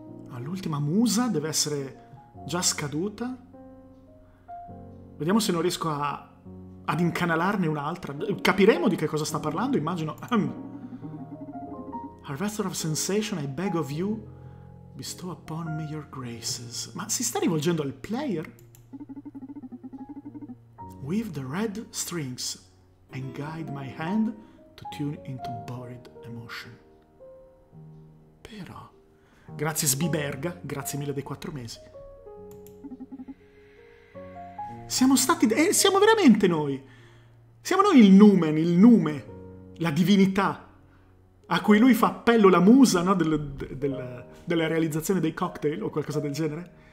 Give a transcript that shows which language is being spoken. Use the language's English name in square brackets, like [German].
[Italian] All'ultima musa deve essere già scaduta. Vediamo se non riesco ad incanalarne un'altra. Capiremo di che cosa sta parlando, immagino. [English] Harvester of sensation, I beg of you, bestow upon me your graces. [Italian] Ma si sta rivolgendo al player? [English] Weave the red strings and guide my hand to tune into buried emotion. [Italian] Però, grazie Sbiberga, grazie mille dei 4 mesi. Siamo veramente noi. Siamo noi il numen, il nume, la divinità a cui lui fa appello, la musa, no, della realizzazione dei cocktail o qualcosa del genere.